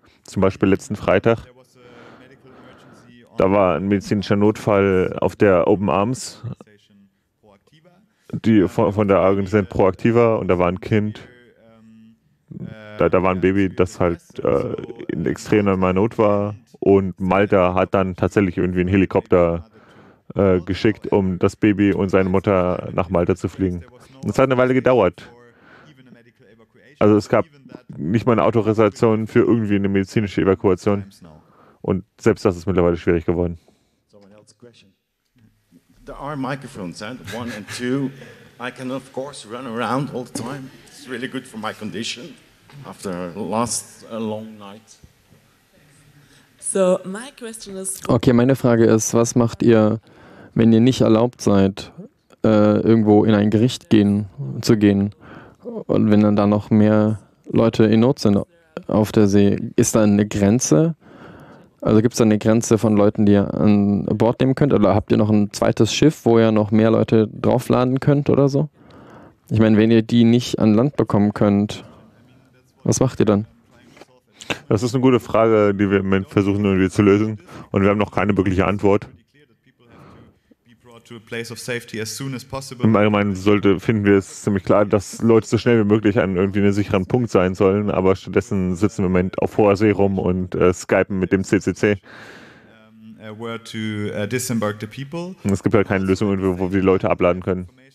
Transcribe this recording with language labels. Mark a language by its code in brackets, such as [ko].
[de] Zum Beispiel letzten Freitag, da war ein medizinischer Notfall auf der Open Arms, die von der Organisation Proactiva, und da war ein Kind, da war ein Baby, das halt in extremer Not war, und Malta hat dann tatsächlich irgendwie einen Helikopter geschickt, um das Baby und seine Mutter nach Malta zu fliegen. Und es hat eine Weile gedauert. Also es gab nicht mal eine Autorisation für irgendwie eine medizinische Evakuation. Und selbst das ist mittlerweile schwierig geworden. [en] There are microphones, and one and two. I can of course run around all the time. It's really good for my condition after a long night. So my question is. [de] Okay, meine Frage ist, was macht ihr, wenn ihr nicht erlaubt seid, irgendwo in ein Gericht zu gehen? Und wenn dann da noch mehr Leute in Not sind auf der See, ist da eine Grenze? Also gibt es da eine Grenze von Leuten, die ihr an Bord nehmen könnt? Oder habt ihr noch ein zweites Schiff, wo ihr noch mehr Leute draufladen könnt oder so? Ich meine, wenn ihr die nicht an Land bekommen könnt, was macht ihr dann? Das ist eine gute Frage, die wir im Moment versuchen irgendwie zu lösen. Und wir haben noch keine wirkliche Antwort. [en] To a place of safety as soon as possible. [de] Im Allgemeinen finden wir es ziemlich klar, dass Leute so schnell wie möglich an irgendwie einen sicheren Punkt sein sollen, aber stattdessen sitzen wir im Moment auf hoher See rum und skypen mit dem CCC. Und es gibt halt keine Lösung, wo wir die Leute abladen können.